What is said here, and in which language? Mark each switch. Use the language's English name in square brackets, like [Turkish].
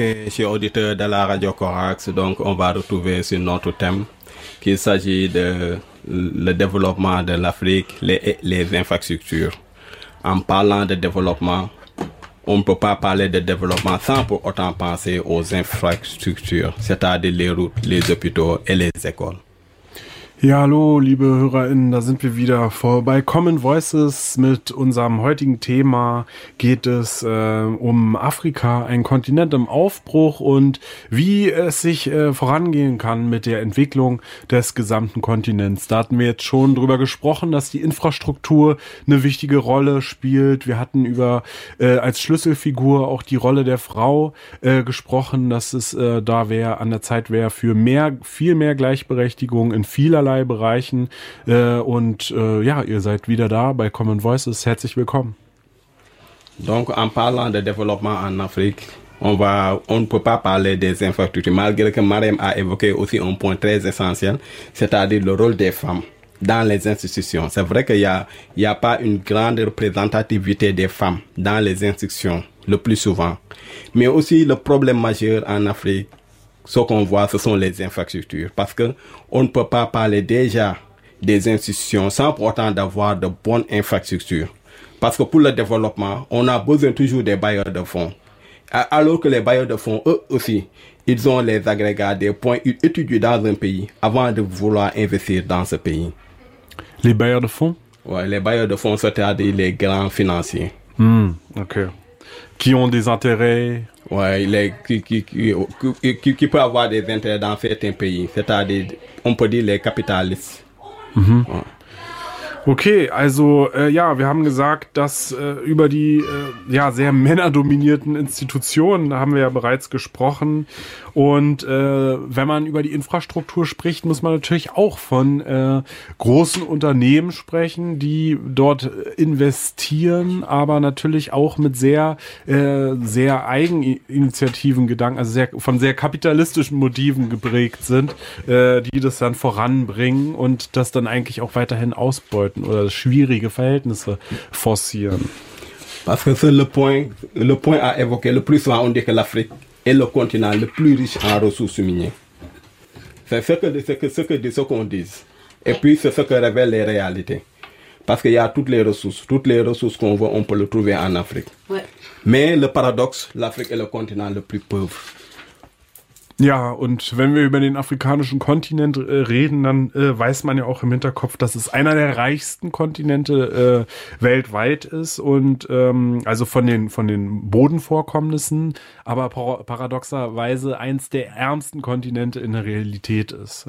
[French] Chers auditeurs de la radio Corax, donc on va retrouver sur notre thème qu'il s'agit de le développement de l'Afrique, les infrastructures. En parlant de développement, on ne peut pas parler de développement sans pour autant penser aux infrastructures, c'est-à-dire les routes, les hôpitaux et les écoles. [German] Ja, hallo, liebe HörerInnen, da sind wir wieder vorbei. Common Voices mit unserem heutigen Thema geht es um Afrika, ein Kontinent im Aufbruch und wie es sich vorangehen kann mit der Entwicklung des gesamten Kontinents. Da hatten wir jetzt schon drüber gesprochen, dass die Infrastruktur eine wichtige Rolle spielt. Wir hatten über als Schlüsselfigur auch die Rolle der Frau gesprochen, dass es da wäre, an der Zeit wäre für mehr, viel mehr Gleichberechtigung in vielerlei Bereichen und ja, ihr seid wieder da bei Common Voices. Herzlich willkommen. [French] Donc, en parlant de développement en Afrique, on ne peut pas parler des infrastructures, malgré que Mariam a évoqué aussi un point très essentiel, c'est-à-dire le rôle des femmes dans les institutions. C'est vrai qu'il n'y a pas une grande représentativité des femmes dans les institutions le plus souvent. Mais aussi, le problème majeur en Afrique, ce qu'on voit, ce sont les infrastructures. Parce que on ne peut pas parler déjà des institutions sans pour autant d'avoir de bonnes infrastructures. Parce que pour le développement, on a besoin toujours des bailleurs de fonds. Alors que les bailleurs de fonds, eux aussi, ils ont les agrégats des points étudiés dans un pays avant de vouloir investir dans ce pays. Les bailleurs de fonds? Ouais, les bailleurs de fonds, c'est-à-dire les grands financiers. OK. Qui ont des intérêts. Ouais, les qui peut avoir des intérêts dans certains pays, c'est-à-dire on peut dire les capitalistes. Mm-hmm. Ouais. [German] Okay, also ja, wir haben gesagt, dass über die ja sehr männerdominierten Institutionen haben wir ja bereits gesprochen. Und wenn man über die Infrastruktur spricht, muss man natürlich auch von großen Unternehmen sprechen, die dort investieren, aber natürlich auch mit sehr sehr Eigeninitiativen Gedanken, also sehr von sehr kapitalistischen Motiven geprägt sind, die das dann voranbringen und das dann eigentlich auch weiterhin ausbeuten oder schwierige Verhältnisse forcieren. [French] Parce que c'est le point à évoquer le plus souvent, on dit que l'Afrique est le continent le plus riche en ressources minières. C'est ce qu'on dit. Et puis, c'est ce que révèlent les réalités. Parce qu'il y a toutes les ressources qu'on voit, on peut le trouver en Afrique. Ouais. Mais le paradoxe, l'Afrique est le continent le plus pauvre. [German] Ja, und wenn wir über den afrikanischen Kontinent reden, dann weiß man ja auch im Hinterkopf, dass es einer der reichsten Kontinente weltweit ist und also von den Bodenvorkommnissen, aber paradoxerweise eins der ärmsten Kontinente in der Realität ist.